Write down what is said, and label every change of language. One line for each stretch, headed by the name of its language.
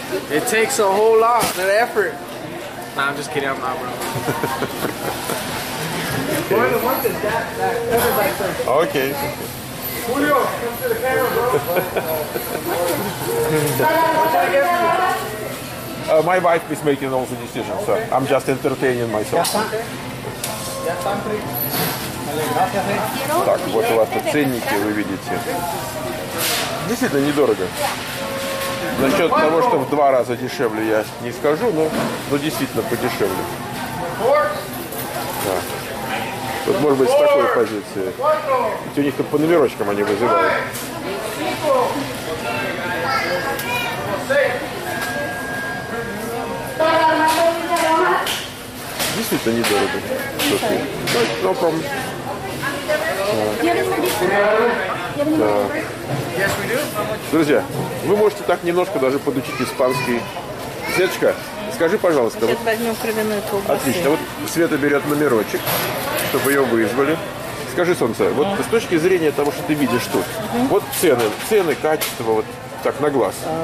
English: It takes a whole lot of effort. Nah, I'm just kidding, I'm not, bro. Okay. Julio, come to the camera, bro. My wife is making all the decisions, so I'm just entertaining myself.
Russian: Так, вот у вас тут ценники, вы видите. Действительно, недорого. Насчет того, что в два раза дешевле, я не скажу, но действительно подешевле. Так. Вот, может быть, с такой позиции. Ведь у них тут по номерочкам они вызывают. Действительно недорого.
English: No problem. Да. Yes, we do.
Russian: Друзья, вы можете так немножко даже подучить испанский. Светочка, скажи, пожалуйста. Сейчас возьмем кровяную трубу. Отлично. Вот Света берет номерочек, чтобы ее вызвали. Скажи, солнце, вот с точки зрения того, что ты видишь тут, вот цены, качество, вот так, на глаз.